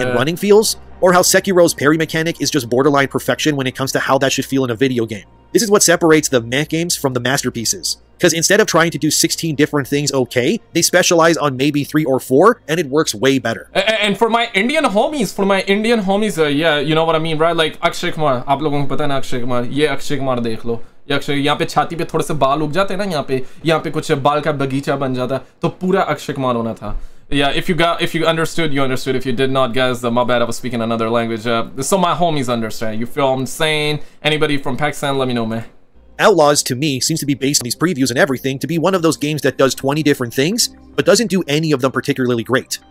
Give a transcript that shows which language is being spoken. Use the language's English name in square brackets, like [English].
[English] And running feels, or how Sekiro's parry mechanic is just borderline perfection when it comes to how that should feel in a video game. This is what separates the meh games from the masterpieces. Because instead of trying to do 16 different things okay, they specialize on maybe 3 or 4, and it works way better. And for my Indian homies, yeah, you know what I mean, right? [Hindi] Like, Akshay Kumar, आप लोगों को पता है ना अक्षय कुमार, ये अक्षय कुमार देख लो. ये अक्षय, यहाँ पे छाती पे थोड़े से बाल उग जाते है ना, यहाँ पे कुछ बाल का बगीचा बन जाता, तो पूरा अक्षय कुमार होना था. [English] Yeah, if you understood, if you did not, guys, my bad, I was speaking another language. So my homies understand, you feel what I'm saying? Anybody from Pakistan, let me know, man. Outlaws, to me, seems to be based on these previews and everything to be one of those games that does 20 different things, but doesn't do any of them particularly great.